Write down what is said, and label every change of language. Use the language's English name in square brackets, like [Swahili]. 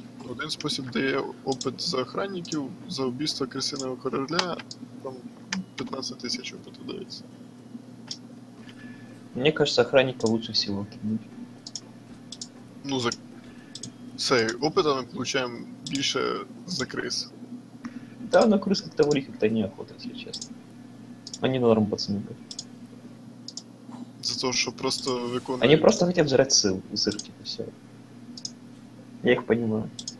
[Ukrainian] Один спосіб дає опит за охранників, за вбивство крисиного короля, там 15 тисяч опиту дається. [Russian] Мені кажется, охранника лучше всего. [Ukrainian] Ну, за цей опит ми получаємо більше за крис. [Russian] Да, на крыс как-то вроде как-то неохота, если честно. Они норм пацаны были. За то, что просто выконали... Они просто хотят жрать сыл, сыр, типа, всё. Я их понимаю.